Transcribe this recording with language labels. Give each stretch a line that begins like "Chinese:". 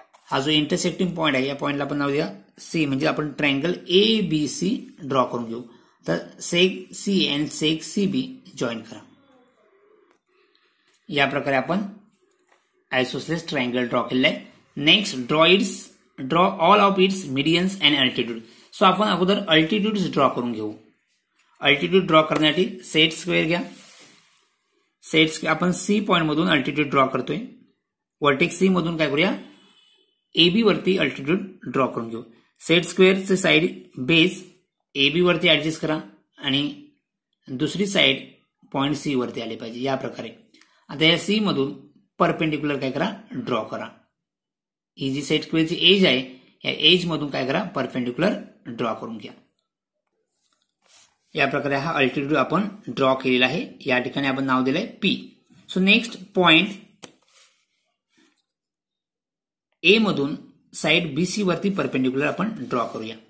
Marathi: हा जो intersecting point आहे या पॉइंटला आपण नाव देऊ सी, म्हणजे आपण triangle A B C draw करून घेऊ। तर सेक सी एंड सेक सी बी जॉईन करा, या प्रकारे आपण आयसोसेलेस ट्रायंगल ड्रॉ केलेलं आहे।
English: Next draw its, draw all of its medians and altitude.
Marathi: So आपण अगोदर अल्टिट्यूड ड्रॉ करून घेऊ। अल्टिट्यूड ड्रॉ करण्यासाठी सेट स्क्वेअर घ्या, सेट स्क्वेअर आपण सी पॉइंट मधून अल्टिट्यूड ड्रॉ करतोय। व्हर्टेक्स सी मधून काय करूया, ए बी वरती अल्टिट्यूड ड्रॉ करून घेऊ। Set स्क्वेअरचे side base A B वरती ऍडजस्ट करा आणि दुसरी साईड पॉइंट सी वरती आली पाहिजे या प्रकारे। आता या सी मधून परपेंडिक्युलर काय करा, ड्रॉ करा। ही जी सेट स्क्वेअरची एज आहे, या एज मधून काय करा, परपेंडिक्युलर ड्रॉ करून घ्या। या प्रकारे हा अल्टिट्यूड आपण ड्रॉ केलेला आहे, या ठिकाणी आपण नाव दिलंय P. So next point A मधून साइड बी सी वरती परपेंडिक्युलर आपण ड्रॉ करूया।